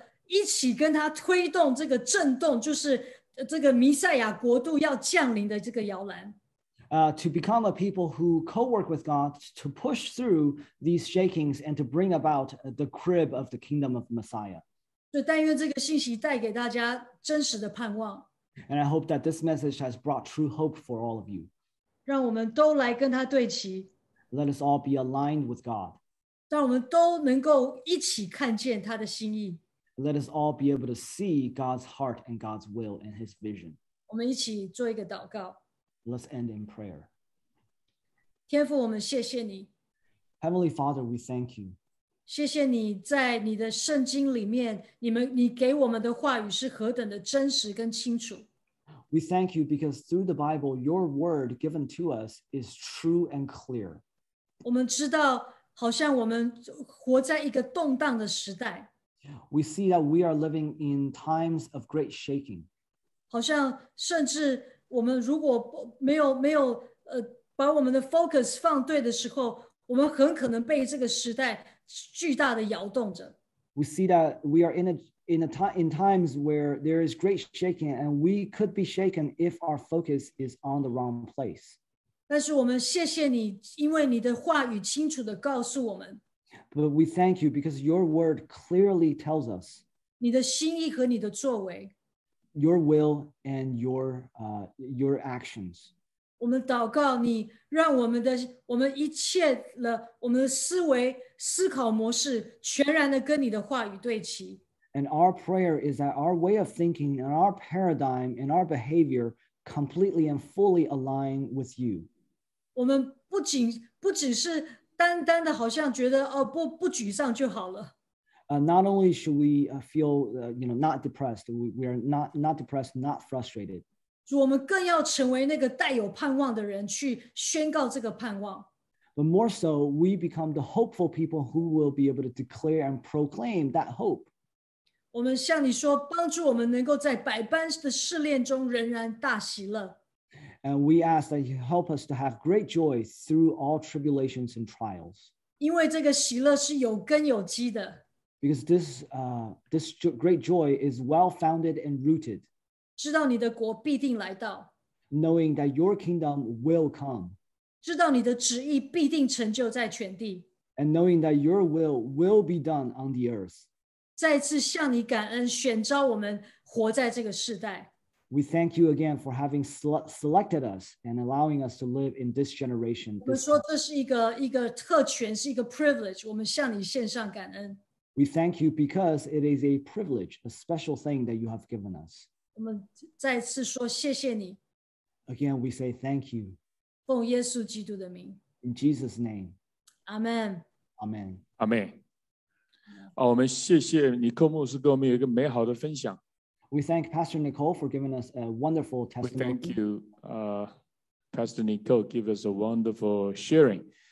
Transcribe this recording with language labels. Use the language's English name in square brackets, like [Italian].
[Chinese] 一起跟他推动这个震动，就是这个弥赛亚国度要降临的这个摇篮。 [English] To become a people who co-work with God to push through these shakings and to bring about the crib of the kingdom of Messiah. [Chinese] 就但愿这个信息带给大家真实的盼望。 [English] And I hope that this message has brought true hope for all of you. [Chinese] 让我们都来跟他对齐。 [English] Let us all be aligned with God. [Chinese] 让我们都能够一起看见他的心意。 [English] Let us all be able to see God's heart and God's will and his vision. [Chinese] 我们一起做一个祷告。 [English] Let's end in prayer. [Chinese] 天父，我们谢谢你。 [English] Heavenly Father, we thank you. [Chinese] 谢谢你在你的圣经里面，你给我们的话语是何等的真实跟清楚。 [English] We thank you because through the Bible, your word given to us is true and clear. [Chinese] 我们知道，好像我们活在一个动荡的时代。 [English] We see that we are living in times of great shaking. [Chinese] 好像甚至我们如果没有把我们的 focus 放对的时候，我们很可能被这个时代巨大的摇动着。 [English] We see that we are in times where there is great shaking, and we could be shaken if our focus is on the wrong place. [Chinese] 但是我们谢谢你，因为你的话语清楚地告诉我们。 [English] But we thank you because your word clearly tells us. [Chinese] 你的心意和你的作为。 [English] Your will and your actions. [Chinese] 我们祷告你让我们一切的我们的思维思考模式全然的跟你的话语对齐。 [English] And our prayer is that our way of thinking and our paradigm and our behavior completely and fully align with you. [Chinese] 我们不仅是单单的好像觉得哦不沮丧就好了。 [English] Not only should we feel, not depressed, we are not depressed, not frustrated. [Chinese] 主，我们更要成为那个带有盼望的人，去宣告这个盼望。 [English] But more so, we become the hopeful people who will be able to declare and proclaim that hope. [Chinese] 我们向你说，帮助我们能够在百般的试炼中仍然大喜乐。 [English] And we ask that you help us to have great joy through all tribulations and trials. [Chinese] 因为这个喜乐是有根有基的。 [English] Because this great joy is well-founded and rooted. [Chinese] 知道你的国必定来到。 [English] Knowing that your kingdom will come. [Chinese] 知道你的旨意必定成就在全地。 [English] And knowing that your will be done on the earth. [Chinese] 再次向你感恩，选召我们活在这个世代。 [English] We thank you again for having selected us and allowing us to live in this generation. [Chinese] 我们说这是一个特权，是一个 privilege， 我们向你献上感恩。 [English] We thank you because it is a privilege, a special thing that you have given us. [Chinese] 我们再次说谢谢你。 [English] Again, we say thank you. [Chinese] 奉耶稣基督的名。 [English] In Jesus' name. Amen. Amen. Amen. [Chinese] 我们谢谢尼克牧师给我们有一个美好的分享。 [English] We thank Pastor Nicole for giving us a wonderful testimony. We thank you, Pastor Nicole, give us a wonderful sharing.